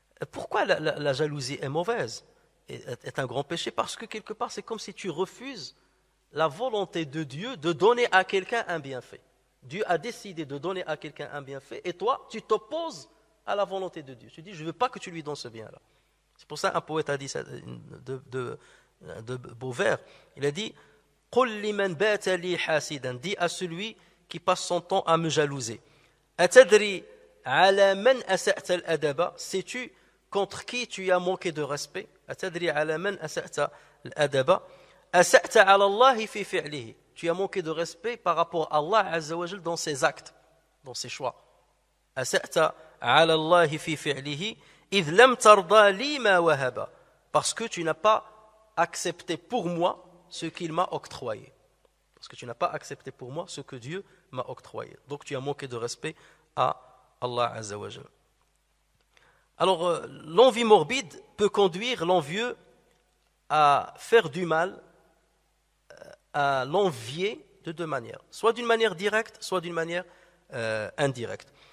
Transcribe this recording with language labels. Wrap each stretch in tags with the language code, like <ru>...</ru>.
<fr>Pourquoi la jalousie est mauvaise ? Est un grand péché, parce que quelque part c'est comme si tu refuses la volonté de Dieu de donner à quelqu'un un bienfait. Dieu a décidé de donner à quelqu'un un bienfait et toi tu t'opposes à la volonté de Dieu. Tu dis je ne veux pas que tu lui donnes ce bien-là. C'est pour ça un poète a dit ça, de beau vers. Il a dit</fr> <ar>قُلْ لِمَنْ بَاتَ لِي حَاسِدًا.</ar> <fr>Dis à celui qui passe son temps à me jalouser.</fr> <ar>أَتَدْرِي عَلَى مَنْ أَسَأْتَ الْأَدَبَ.</ar> <fr>Sais-tu contre qui tu as manqué de respect?</fr> <ar>أتدري على من أسأت الأدب؟ أسأت على الله في فعله.</ar> <fr>Tu as manqué de respect par rapport à Allah Azza wa Jal dans ses actes, dans ses choix.</fr> <ar>أسأت على الله في فعله إذ لم ترضى لي ما وهب.</ar> <fr>Parce que tu n'as pas accepté pour moi ce qu'il m'a octroyé. Parce que tu n'as pas accepté pour moi ce que Dieu m'a octroyé. Donc tu as manqué de respect à Allah Azza wa Jal. Alors, l'envie morbide peut conduire l'envieux à faire du mal à l'envier de deux manières, soit d'une manière directe, soit d'une manière indirecte.</fr>